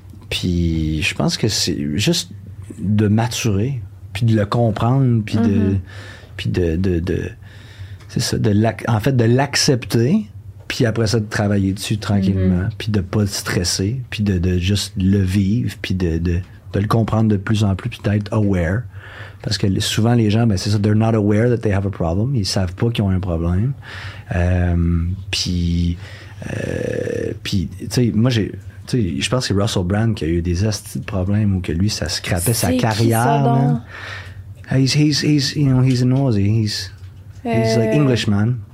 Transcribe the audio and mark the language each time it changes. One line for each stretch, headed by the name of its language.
French: Puis je pense que c'est juste de maturer, puis de le comprendre, puis de l'accepter. Puis après ça, de travailler dessus tranquillement, puis de pas stresser, puis de juste le vivre, puis de le comprendre de plus en plus, puis d'être aware. Parce que souvent, les gens, ben c'est ça,
English: they're not aware that they have a problem.
French: Ils savent pas qu'ils ont un problème. Je pense que c'est Russell Brand qui a eu des astuces de problèmes ou que lui, ça scrapait sa carrière. C'est qui ça, donc?
English: He's an Aussie. He's like Englishman.